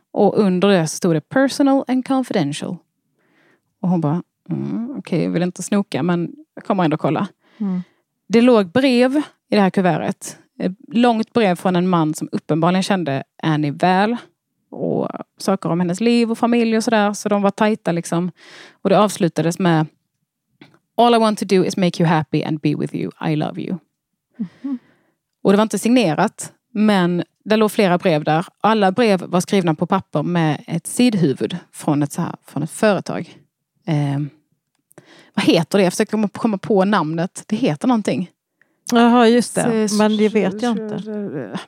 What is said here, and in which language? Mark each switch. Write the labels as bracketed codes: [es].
[sv] Och under det så stod det [en] personal and confidential. [sv] Och hon bara, okej, jag vill inte snoka, men jag kommer ändå kolla. Mm. Det låg brev i det här kuvertet. Ett långt brev från en man som uppenbarligen kände Annie väl. Och saker om hennes liv och familj och sådär. Så de var tajta liksom. Och det avslutades med, [en] all I want to do is make you happy and be with you. I love you. Mm-hmm. [sv] Och det var inte signerat. Men det låg flera brev där. Alla brev var skrivna på papper med ett sidhuvud från ett företag. Vad heter det? Jag försöker komma på namnet. Det heter någonting. Jaha, just det. Men det vet jag inte.